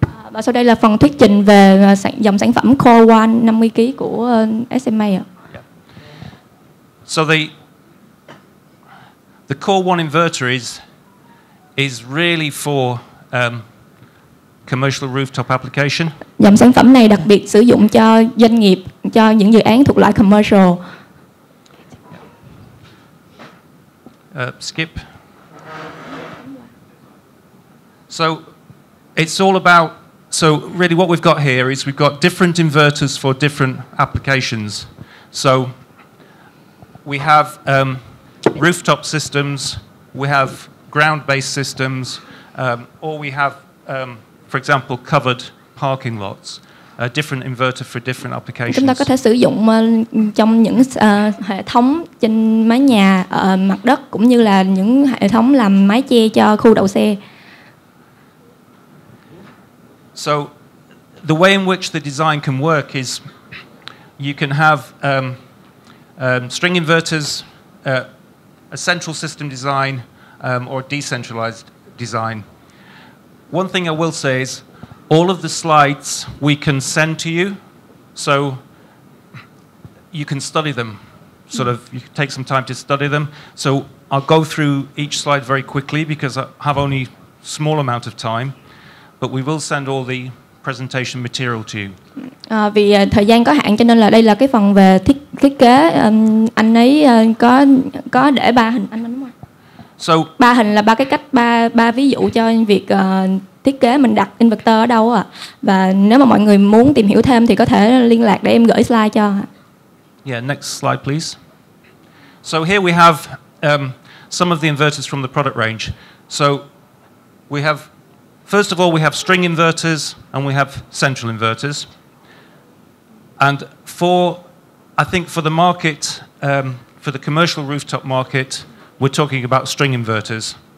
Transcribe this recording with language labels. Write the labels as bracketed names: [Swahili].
[Vietnamese] Và sau đây là phần thuyết trình về dòng sản phẩm core 1 50 kg của SMA ạ. [English] So the core 1 inverter is really for commercial rooftop application. [Vietnamese] Dòng sản phẩm này đặc biệt sử dụng cho doanh nghiệp, cho những dự án thuộc loại commercial. [English] Skip. So it's all about, so really what we've got here is we've got different inverters for different applications. So we have rooftop systems, we have ground-based systems, or we have, for example, covered parking lots. A different inverter for different applications. [Vietnamese] Chúng ta có thể sử dụng trong những hệ thống trên mái nhà, mặt đất, cũng như là những hệ thống làm mái che cho khu đậu xe. [English] So, the way in which the design can work is, you can have string inverters, a central system design, or a decentralized design. One thing I will say is all of the slides we can send to you, so you can study them, sort of, you can take some time to study them. So I'll go through each slide very quickly because I have only a small amount of time, but we will send all the presentation material to you. [Vietnamese] Vì thời gian có hạn cho nên là đây là cái phần về thiết kế. Anh ấy có để ba hình, anh đúng không? [English] So [Vietnamese] ba hình là ba cái cách, ba ví dụ cho việc thiết kế mình đặt inverter ở đâu ạ. Và nếu mà mọi người muốn tìm hiểu thêm thì có thể liên lạc để em gửi slide cho. [English] Yeah, next slide please. So here we have some of the inverters from the product range. So we have, first of all, we have string inverters and we have central inverters. And for, I think for the market, for the commercial rooftop market, we're talking about string inverters.